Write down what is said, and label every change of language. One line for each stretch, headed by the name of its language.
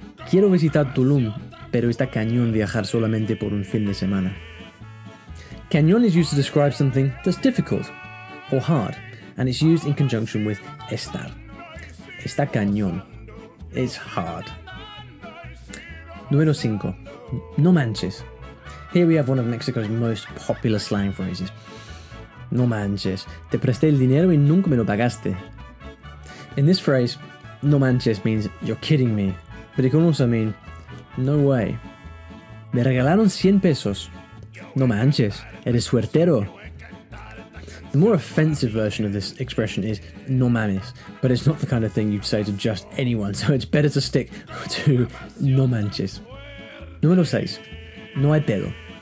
Spanish: Quiero visitar Tulum, pero está cañón viajar solamente por un fin de semana.
English: Cañón is used to describe something that's difficult or hard, and it's used in conjunction with estar.
Spanish: Está cañón. It's hard. Número cinco. No manches.
English: Here we have one of Mexico's most popular slang phrases.
Spanish: No manches, te presté el dinero y nunca me lo pagaste.
English: In this phrase, no manches means you're kidding me, but it can also mean no way.
Spanish: Me regalaron 100 pesos. No manches, eres suertero.
English: The more offensive version of this expression is no mames, but it's not the kind of thing you'd say to just anyone, so it's better to stick to no manches. Número seis. No hay pedo.